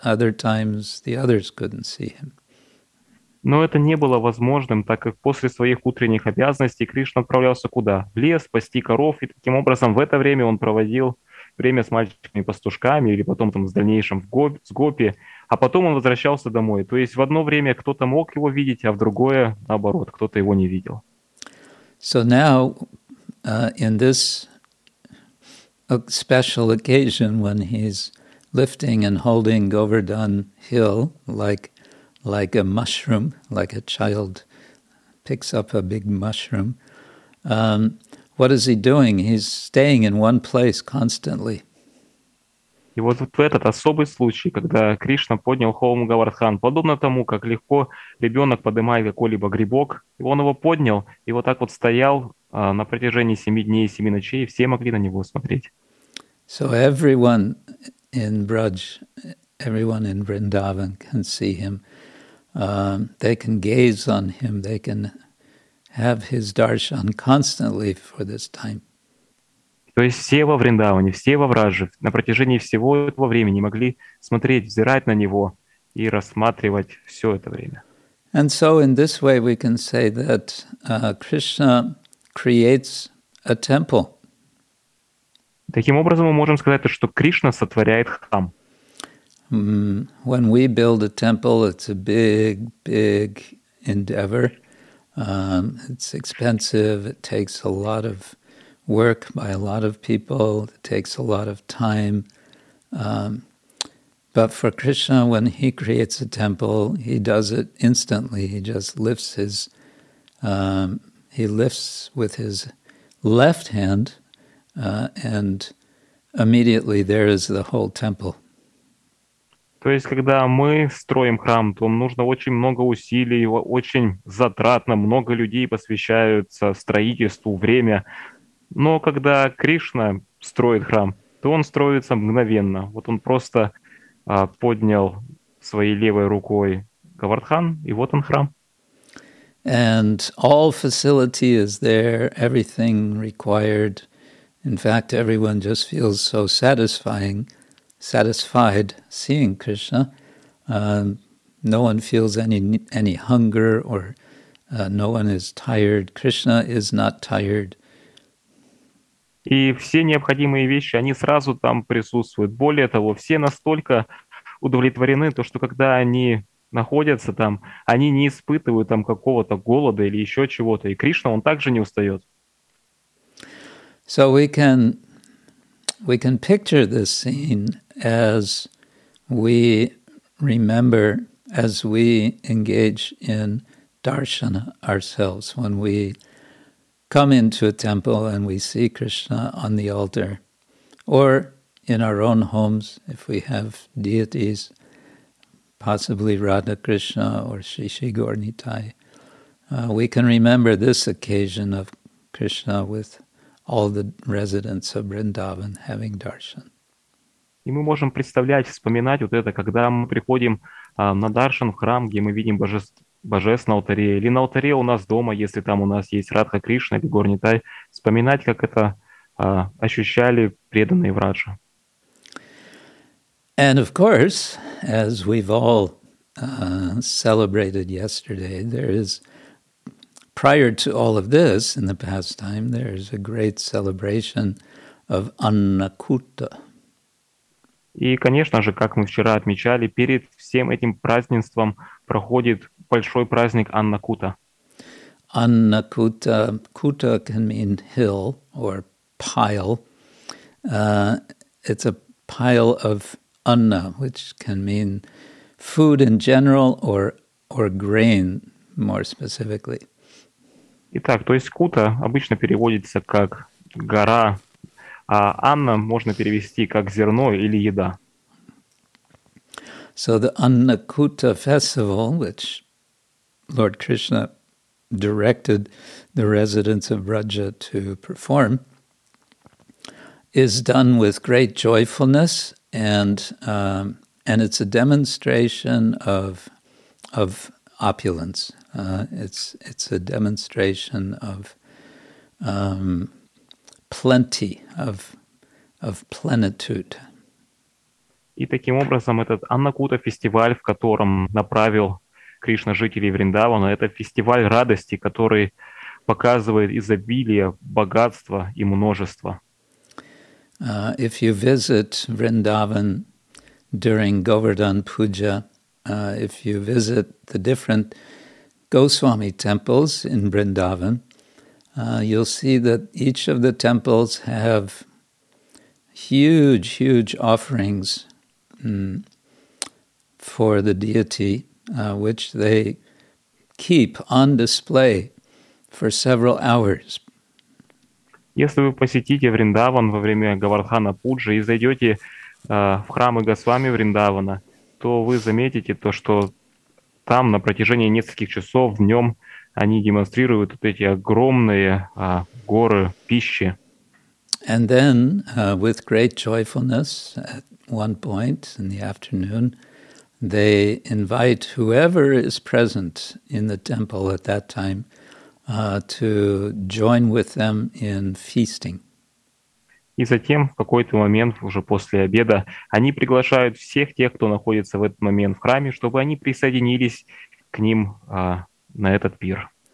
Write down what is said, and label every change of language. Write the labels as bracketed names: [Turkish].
[English] Other times the others couldn't see him. [Russian] Но это не было возможным, так как после своих утренних обязанностей Кришна отправлялся куда? В лес, пасти коров, и таким образом в это время он проводил время с мальчиками-пастушками или потом там в дальнейшем с гопи, а потом он возвращался домой. То есть в одно время кто-то мог его видеть, а в другое, наоборот, кто-то его не видел. [English] So now, in this special occasion, when he's lifting and holding Govardhan Hill, like a mushroom, like a child picks up a big mushroom. What is he doing? He's staying in one place constantly. [Russian] И вот в этот особый случай, когда Кришна поднял холм Говардхан, подобно тому, как легко ребенок поднимает какой-либо грибок, он его поднял и вот так вот стоял на протяжении 7 дней и 7 ночей, и все могли на него смотреть. [English] So everyone in Braj, everyone in Vrindavan can see him. They can gaze on him, they can have his darshan constantly for this time. [Russian] То есть все во Вриндаване, все во Враже на протяжении всего этого времени могли смотреть, взирать на него и рассматривать все это время. [English] And so in this way we can say that Krishna creates a temple. [Russian] Таким образом мы можем сказать, что Кришна сотворяет храм. [English] When we build a temple, it's a big, big endeavor. It's expensive, it takes a lot of work by a lot of people, it takes a lot of time. But for Krishna, when he creates a temple, he does it instantly. He just lifts his, he lifts with his left hand, and immediately there is the whole temple. [Russian] То есть, когда мы строим храм, то нужно очень много усилий, очень затратно, много людей посвящаются строительству, время. Но когда Кришна строит храм, то он строится мгновенно. Вот он просто поднял своей левой рукой Говардхан, и вот он храм. [English] And all facility is there, everything required. In fact, everyone just feels so satisfied seeing Krishna. No one feels any hunger or no one is tired. Krishna is not tired. [Russian] И все необходимые вещи, они сразу там присутствуют. Более того, все настолько удовлетворены, то что когда они находятся там, они не испытывают там какого-то голода или еще чего-то. И Кришна, он также не устает. [English] So we can picture this scene as we remember, as we engage in darshana ourselves, when we come into a temple and we see Krishna on the altar, or in our own homes, if we have deities, possibly Radha Krishna or Shishi Gaur Nitai, we can remember this occasion of Krishna with all the residents of Vrindavan having darshan. [Russian] И мы можем представлять, вспоминать вот это, когда мы приходим на даршан, в храм, где мы видим божеств на алтаре, или на алтаре у нас дома, если там у нас есть Радха Кришна или Гор Нитай, вспоминать, как это ощущали преданные Враджа. [English] And of course, as we've all celebrated yesterday, there is, prior to all of this, in the past time, there is a great celebration of Annakuta. [Russian] И, конечно же, как мы вчера отмечали, перед всем этим празднеством проходит большой праздник Аннакута. [English] Аннакута, кута can mean hill or pile. It's a pile of anna, which can mean food in general or grain, more specifically. [Russian] Итак, то есть кута обычно переводится как гора. А Анна можно перевести как зерно или еда. [English] So the Annakuta festival, which Lord Krishna directed the residents of Braja to perform, is done with great joyfulness and it's a demonstration of opulence. It's a demonstration of plenty of plenitude. [Russian] И таким образом этот Аннакута фестиваль, в котором направил Кришна жителей Вриндавана, это фестиваль радости, который показывает изобилие, богатство и множество. [English] If you visit Vrindavan during Govardhan Puja, if you visit the different Goswami temples in Vrindavan, you'll see that each of the temples have huge, huge offerings for the deity, which they keep on display for several hours. [Russian] Если вы посетите Вриндаван во время Говардхана Пуджи и зайдете в храмы Госвами Вриндавана, то вы заметите то, что там на протяжении нескольких часов днем они демонстрируют вот эти огромные горы пищи. [English] And then, with great joyfulness, at one point in the afternoon, they invite whoever is present in the temple at that time to join with them in feasting. [Russian] И затем, в какой-то момент, уже после обеда, они приглашают всех тех, кто находится в этот момент в храме, чтобы они присоединились к ним на этот пир.